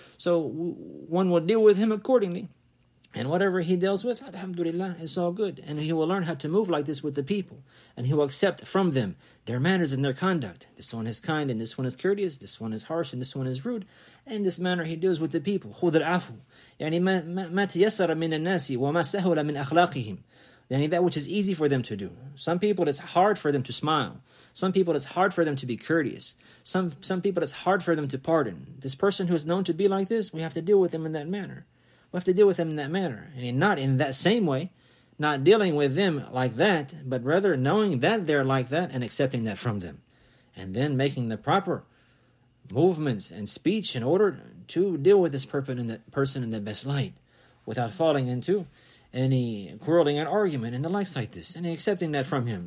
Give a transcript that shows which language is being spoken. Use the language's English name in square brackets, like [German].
[English] So one will deal with him accordingly. And whatever he deals with, alhamdulillah, it's all good. And he will learn how to move like this with the people. And he will accept from them their manners and their conduct. This one is kind, and this one is courteous. This one is harsh, and this one is rude. And this manner he deals with the people. [Arabic] خُذُ الْعَفُوُ. يعني ما تيسر من الناس وما سهل من أخلاقهم. [English] يعني that which is easy for them to do. Some people, it's hard for them to smile. Some people, it's hard for them to be courteous. Some people, it's hard for them to pardon. This person who is known to be like this, we have to deal with them in that manner. We have to deal with them in that manner. And not in that same way, not dealing with them like that, but rather knowing that they're like that and accepting that from them, and then making the proper movements and speech in order to deal with this person in the best light, without falling into any quarreling and argument and the likes like this, and accepting that from him.